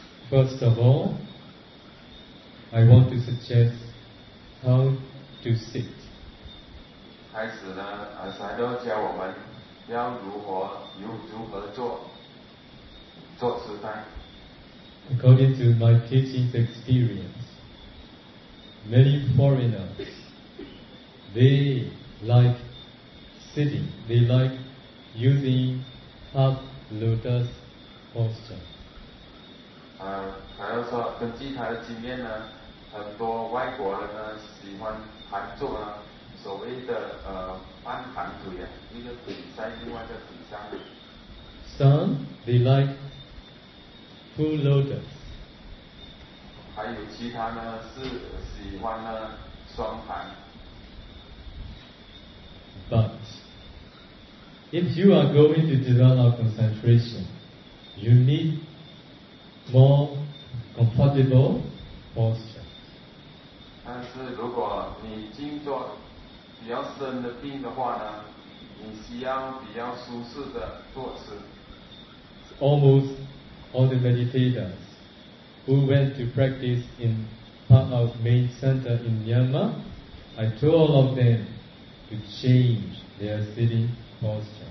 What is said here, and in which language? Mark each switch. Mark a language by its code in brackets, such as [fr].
[en] First of all, I want to suggest how to sit. [zh] 开始呢，才要教我们要如何坐，坐姿态。 [en] According to my teaching experience, many foreigners they like sitting. They like using half lotus posture. [zh] 他要说根据他的经验呢，很多外国人呢喜欢盘坐呢，所谓的半盘腿啊，一个腿在另外一个腿上。 [en] Some they like full lotus. [zh] 还有其他呢是喜欢呢双盘。 [en] But. If you are going to develop concentration, you need more comfortable posture. [zh] 但是如果你静坐比较深的定的话呢，你需要比较舒适的坐姿。 [en] Almost all the meditators who went to practice in part of main center in Myanmar, I told all of them to change their sitting posture.